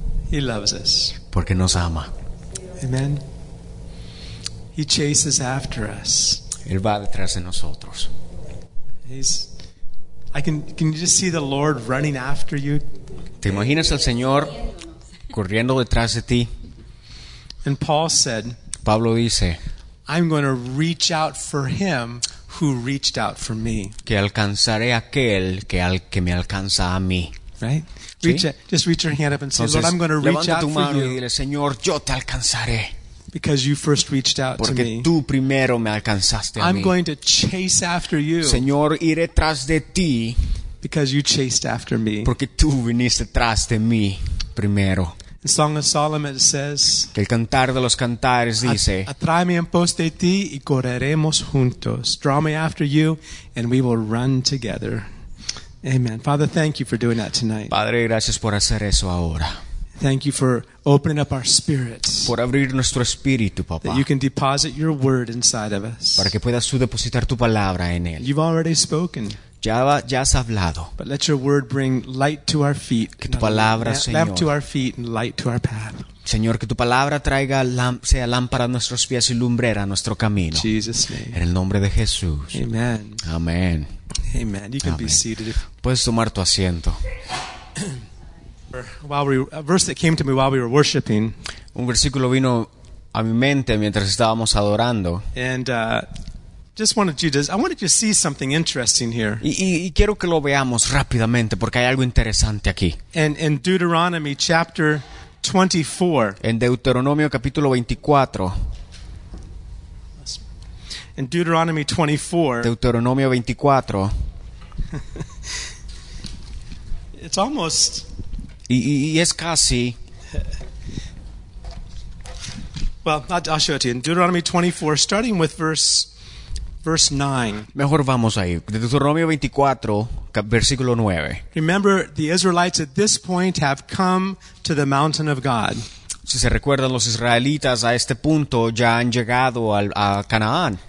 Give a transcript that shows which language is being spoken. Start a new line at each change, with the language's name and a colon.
English: He loves us.
Spanish: Porque nos ama.
English: Amen. He chases after us.
Spanish: Él va detrás de nosotros.
English: Can you just see the Lord running after you?
Spanish: ¿Te imaginas al Señor corriendo detrás de ti?
English: And Paul said,
Spanish: Pablo dice,
English: I'm going to reach out for him who reached out for me.
Spanish: Que alcanzaré aquel que me alcanza a mí.
English: Right?
Spanish: ¿Sí?
English: Just reach your hand up and say,
Spanish: Entonces,
English: Lord, I'm going to reach out for you.
Spanish: Y dile, Señor, yo te alcanzaré.
English: Because you first reached out
Spanish: Porque
English: to me.
Spanish: Porque tú primero me alcanzaste a
English: I'm
Spanish: mí.
English: I'm going to chase after you.
Spanish: Señor, iré tras de ti.
English: Because you chased after me.
Spanish: Porque tú viniste tras de mí primero.
English: The Song of Solomon says.
Spanish: Que el cantar de los cantares dice. Atráeme en pos de ti y correremos juntos.
English: Draw me after you and we will run together. Amen. Father, thank you for doing that tonight.
Spanish: Padre, gracias por hacer eso ahora.
English: Thank you for opening up our spirits.
Spanish: Por abrir nuestro espíritu, papá.
English: That you can deposit your word inside of us.
Spanish: Para que puedas tú depositar tu palabra en él.
English: You've already spoken.
Spanish: Ya has hablado.
English: But let your word bring light to our feet.
Spanish: Que tu palabra, Señor,
English: lamp to our feet and light to our path.
Spanish: Señor, que tu palabra traiga sea lámpara a nuestros pies y lumbrera a nuestro camino.
English: Jesus name.
Spanish: En el nombre de Jesús.
English: Amen.
Spanish: Amen.
English: Amen. You can Amen. Be seated.
Spanish: Puedes tomar tu asiento.
English: A verse that came to me while we were worshiping.
Spanish: Un versículo vino a mi mente mientras estábamos adorando.
English: And I wanted you to see something interesting here.
Spanish: Y quiero que lo veamos rápidamente porque hay algo interesante aquí.
English: In Deuteronomy chapter 24.
Spanish: En Deuteronomio capítulo 24.
English: In Deuteronomy 24.
Spanish: Deuteronomio 24.
English: It's almost.
Spanish: Y es casi.
English: Well, I'll show it to you. In Deuteronomy 24, starting with verse 9.
Spanish: Mejor vamos ahí. Deuteronomio 24, versículo 9.
English: Remember, the Israelites at this point have come to the mountain of God.
Spanish: Si se recuerdan, los israelitas a este punto ya han llegado a Canaán.